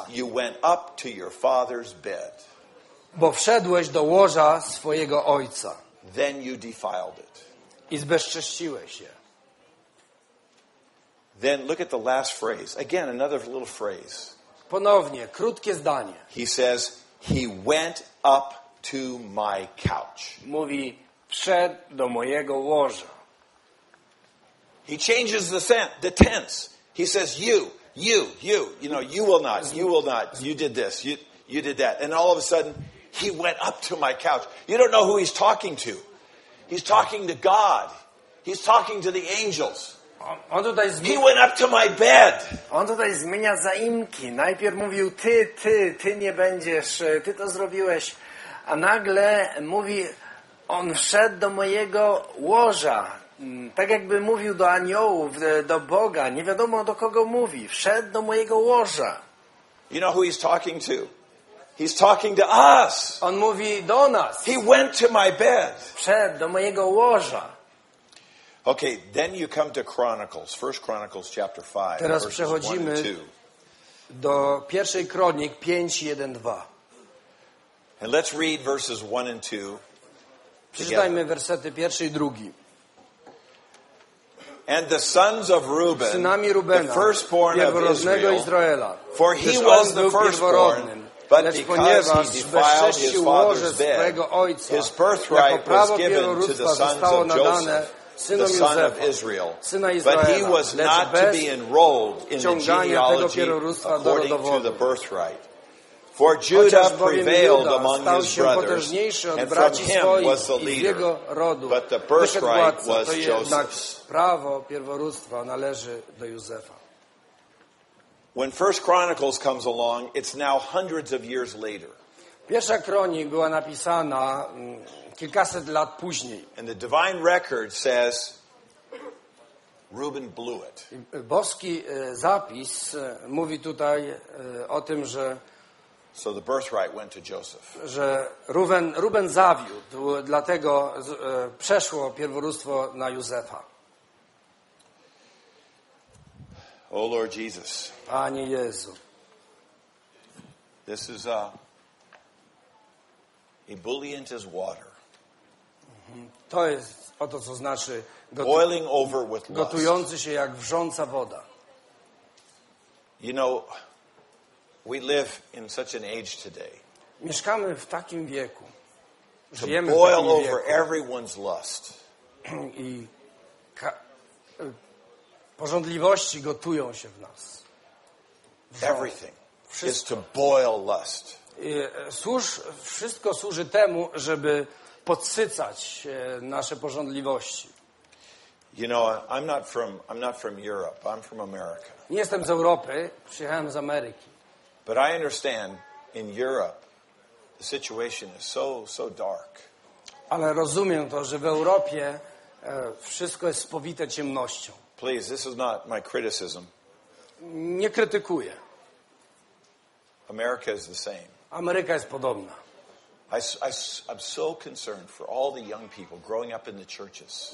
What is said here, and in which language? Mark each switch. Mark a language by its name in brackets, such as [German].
[English] Because you went up to your father's bed. [Polish] Bo wszedłeś do łoża swojego ojca. [English] Then you defiled it. [Polish] I zbezcześciłeś je. [English] Then look at the last phrase. Again, another little phrase. [Polish] Ponownie, krótkie zdanie. [English] He says, he went up to my couch. [Polish] Mówi, wszedł do mojego łoża. [English] He changes the tense. He says, you, you know, you will not, you did this, you did that. And all of a sudden, he went up to my couch. You don't know who he's talking to. He's talking to God. He's talking to the angels. He went up to my bed. [Polish] On tutaj zmienia zaimki. Najpierw mówił, ty nie będziesz, ty to zrobiłeś. A nagle mówi, on wszedł do mojego łoża. Tak jakby mówił do aniołów, do Boga. Nie wiadomo, do kogo mówi. Wszedł do mojego łoża. [English] You know who he's talking to? He's talking to us. [Polish] On mówi do nas. [English] He went to my bed. [Polish] Wszedł do mojego łoża. [English] Okay, then you come to Chronicles, 1 Chronicles chapter 5. [Polish] Teraz przechodzimy do 1 Kronik 5:1-2. [English] And let's read verses 1 and 2. [Polish] Przeczytajmy wersety 1 i 2. [English] And the sons of Reuben, [Polish] synami Rubena, [English] the firstborn of Israel, [Polish] Izraela, [English] for he was the firstborn, but because he defiled his father's bed, [Polish] ojca, [English] his birthright was given to the sons of Joseph, the son of Israel, but he was not to be enrolled in the genealogy according to the birthright. For Judah prevailed among his brothers, and from him was the leader, but the birthright was Joseph's. When 1 Chronicles comes along, it's now hundreds of years later. [Polish] Pierwsza kronik była napisana kilkaset lat później. [English] And the divine record says Reuben blew it. [Polish] Boski zapis mówi tutaj o tym, że [English] so the birthright went to Joseph. [Polish] Że Reuben zawiódł, dlatego przeszło pierworództwo na Józefa. [English] Oh Lord Jesus. [Polish] Panie Jezu. [English] This is ebullient as water. [Polish] To jest o to, co znaczy [English] boiling over with lust. [Polish] Gotujący się jak wrząca woda. [English] You know, we live in such an age today. [Polish] Mieszkamy w takim wieku. Żyjemy [English] boil [Polish] w takim wieku. [English] Over everyone's lust. [Polish] I pożądliwości gotują się w nas. [English] Everything is to boil lust. [Polish] Wszystko służy temu, żeby podsycać nasze pożądliwości. [English] You know, I'm not from Europe. I'm from America. [Polish] Nie jestem z Europy, przyjechałem z Ameryki. [English] But I understand in Europe the situation is so dark. [Polish] Ale rozumiem to, że w Europie wszystko jest spowite ciemnością. [English] Please, this is not my criticism. [Polish] Nie krytykuję. [English] America is the same. [Polish] Ameryka jest podobna. [English] I'm so concerned for all the young people growing up in the churches.